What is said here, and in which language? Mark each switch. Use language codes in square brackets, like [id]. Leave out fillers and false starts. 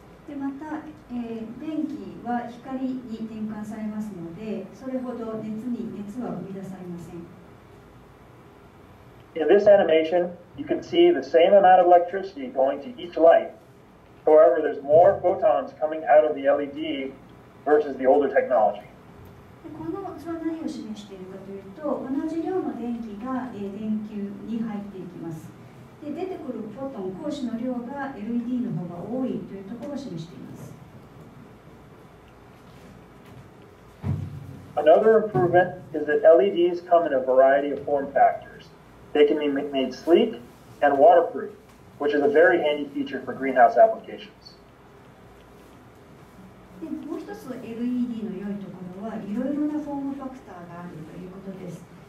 [en] In this animation, you can see the same amount of electricity going to each light. However, there's more photons coming out of the LED versus the older technology. [ja] この図は何を示しているかというと、同じ量の電気が電球に入っていきます。で、出てくるフォトン、光子の量が LED の方が多いというところを示しています。 [en] Another improvement is that LEDs come in a variety of form factors. They can be made sleek and waterproof, which is a very handy feature for greenhouse applications. [ja] で、もう一つ LED の良いところは、いろいろなフォームファクターがあるということです。